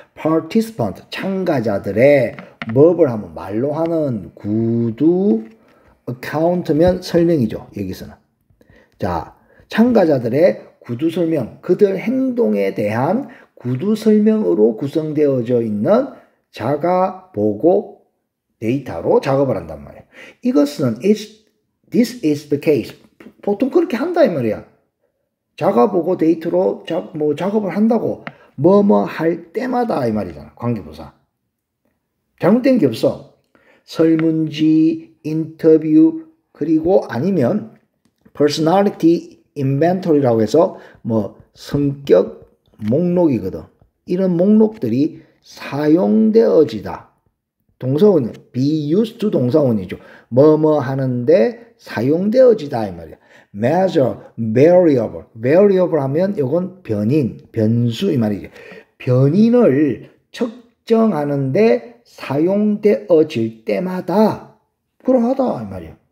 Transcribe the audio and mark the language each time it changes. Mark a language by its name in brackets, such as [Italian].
[Korean] Participant, 참가자들의 verb을 하면 말로 하는 구두 account면 설명이죠. 여기서는. 자, 참가자들의 구두 설명, 그들 행동에 대한 구두 설명으로 구성되어져 있는 자가 보고 데이터로 작업을 한단 말이야. 이것은 [English] this is the case. [Korean] 보통 그렇게 한다 이 말이야. 자가 보고 데이터로 뭐 작업을 한다고 뭐뭐 할 때마다 이 말이잖아. 관계부사. 잘못된 게 없어. 설문지, 인터뷰, 그리고 아니면 Personality Inventory라고 해서 뭐 성격 목록이거든. 이런 목록들이 사용되어지다. 동사원, [English] be used to [Korean] 동사원이죠. 뭐뭐 하는데 사용되어지다 이 말이야. Measure, variable 하면 이건 변인, 변수 이 말이지. 변인을 측정하는데 사용되어질 때마다 그러하다 이 말이야.